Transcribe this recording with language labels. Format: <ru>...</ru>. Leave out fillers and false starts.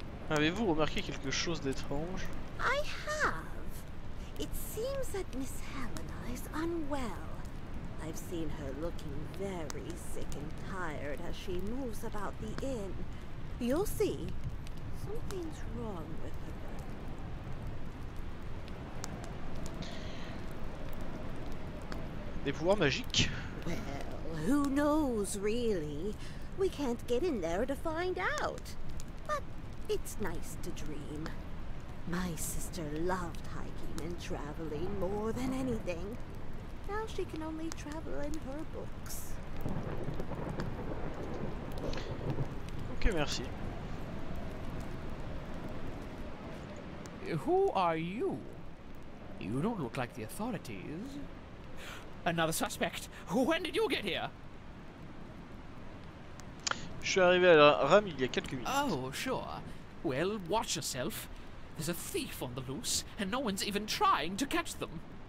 <fr>Avez-vous remarqué quelque chose d'étrange?</fr> <en>I have. It seems that Miss Helena is unwell. I've seen her looking very sick and tired as she moves about the inn. You'll see. Something's wrong with her.</en> <fr>Des pouvoirs magiques?</fr> <en>Well, who knows really? We can't get in there to find out. It's nice to dream. My sister loved hiking and traveling more than anything. Now she can only travel in her books.</en> <fr>Ok, merci.</fr> <en>Who are you? You don't look like the authorities. Another suspect. When did you get here?</en> <fr>Je suis arrivé à la rame il y a quelques minutes.</fr> <en>Oh, sure. Well, watch yourself. There's a thief on the loose, and no one's even trying to catch them.</en>